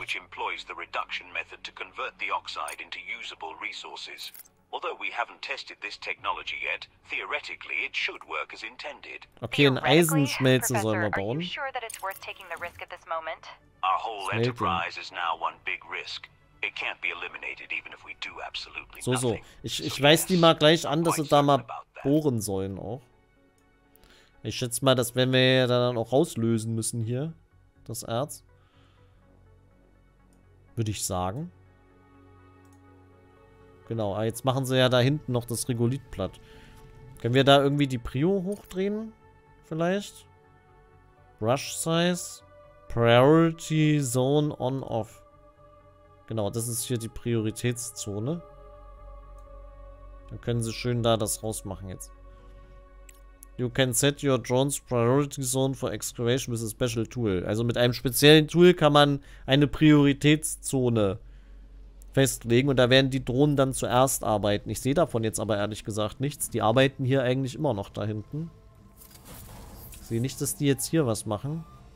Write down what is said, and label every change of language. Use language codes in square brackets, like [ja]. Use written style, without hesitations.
[en] Which employs the reduction method to convert the oxide into usable resources. Although we haven't tested this technology yet, theoretically it should work as intended. [de] Okay, ein Eisenschmelzen sollen wir bauen. [en] Sure that it's worth taking the risk at this moment? Our whole enterprise is now one big risk. It can't be eliminated, even if we do absolutely nothing. [de] So, ich weiß die mal gleich an, dass sie da mal bohren sollen auch. Ich schätze mal, dass wenn wir da dann auch rauslösen müssen hier, das Erz. Würde ich sagen. Genau, jetzt machen sie ja da hinten noch das Regolith platt. Können wir da irgendwie die Prio hochdrehen? Vielleicht? [en] Brush Size. Priority Zone on off. [de] Genau, das ist hier die Prioritätszone. Dann können sie schön da das rausmachen jetzt. [en] You can set your drone's priority zone for excavation with a special tool. [de] Also mit einem speziellen Tool kann man eine Prioritätszone festlegen und da werden die Drohnen dann zuerst arbeiten. Ich sehe davon jetzt aber ehrlich gesagt nichts. Die arbeiten hier eigentlich immer noch da hinten. Ich sehe nicht, dass die jetzt hier was machen.